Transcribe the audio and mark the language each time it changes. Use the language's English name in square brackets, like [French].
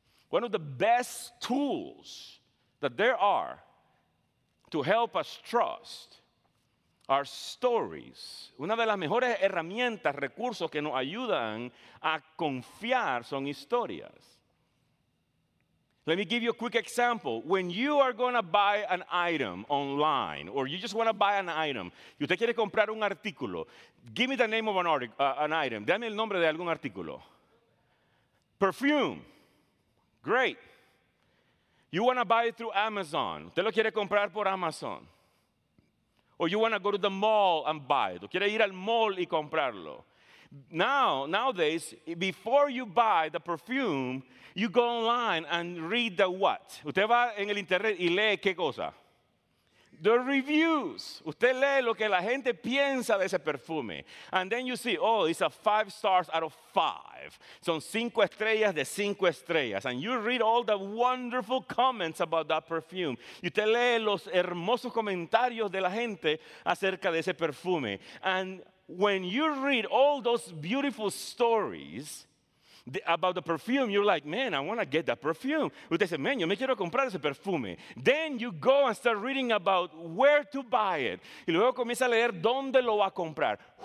[English] One of the best tools that there are to help us trust our stories. [Spanish] Una de las mejores herramientas, recursos que nos ayudan a confiar son historias. [English] Let me give you a quick example. When you are going to buy an item online, or you just want to buy an item, [Spanish] y usted quiere comprar un artículo, [English] give me the name of an item. [Spanish] Dame el nombre de algún artículo. Perfume. [English] Great. You want to buy it through Amazon. [Spanish] Usted lo quiere comprar por Amazon. [English] Or you want to go to the mall and buy it. [Spanish] O quiere ir al mall y comprarlo. [English] Nowadays, before you buy the perfume, you go online and read the what? [Spanish] Usted va en el internet y lee qué cosa? [English] The reviews. [Spanish] Usted lee lo que la gente piensa de ese perfume. [English] And then you see, oh, it's a 5 stars out of 5. [Spanish] Son 5 estrellas de 5 estrellas. [English] And you read all the wonderful comments about that perfume. [Spanish] Y usted lee los hermosos comentarios de la gente acerca de ese perfume. [English] And when you read all those beautiful stories about the perfume, you're like, man, I want to get that perfume. [Spanish] Usted dice, man, yo me quiero comprar ese perfume. [English] Then you go and start reading about where to buy it. [Spanish] Y luego comienza a leer dónde lo va a comprar.